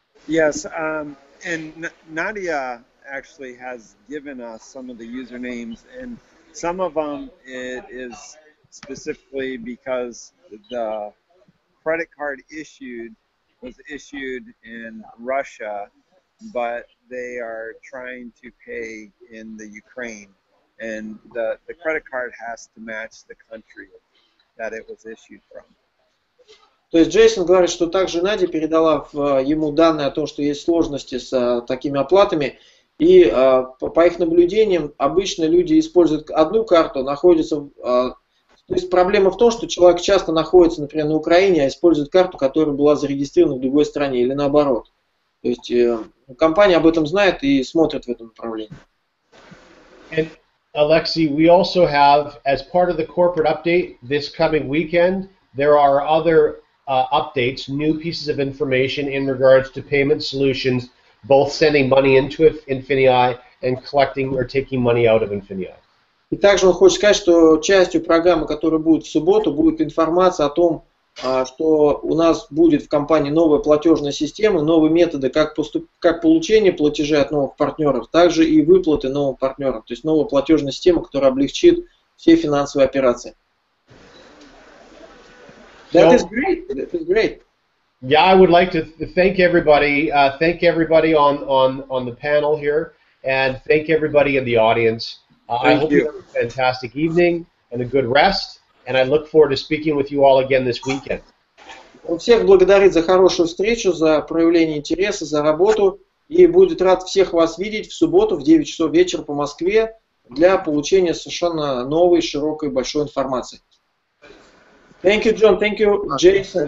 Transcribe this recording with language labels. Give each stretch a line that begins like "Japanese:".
English: Yes, and Nadia actually has given us some of the usernames, and some of them it is specifically because the credit card issued was issued in Russia, but they are trying to pay in the Ukraine, and the credit card has to match the country that it was issued from.
Russian: То есть Джейсон говорит, что также Надя передала ему данные о том, что есть сложности с такими оплатами, и по их наблюдениям обычно люди используют одну карту, находятся то есть проблема в том, что человек часто находится, например, на Украине, а использует карту, которая была зарегистрирована в другой стране или наоборот. То есть компания об этом знает и смотрит в этом направлении.
English: And Alexei, we also have, as part of the corporate update this coming weekend, there are other updates, new pieces of information in regards to payment solutions, both sending money into Infinii and collecting or taking money out of Infinii.
Russian: И также он хочет сказать, что частью программы, которая будет в субботу, будет информация о том, что у нас будет в компании новая платежная система, новые методы как получение платежей от новых партнеров, так же и выплаты новым партнерам, то есть новая платежная система, которая облегчит все финансовые операции.
English: That is great. Yeah, I would like to thank everybody. Thank everybody on the panel here, and thank everybody in the audience. Thank you. I hope you have a fantastic evening and a good rest. And I look forward to speaking with you all again this weekend.
Russian: Он всех благодарит за хорошую встречу, за проявление интереса, за работу, и будет рад всех вас видеть в субботу в 9 часов вечера по Москве для получения совершенно новой, широкой, большой информации.
English: Thank you, John. Thank you, Jason.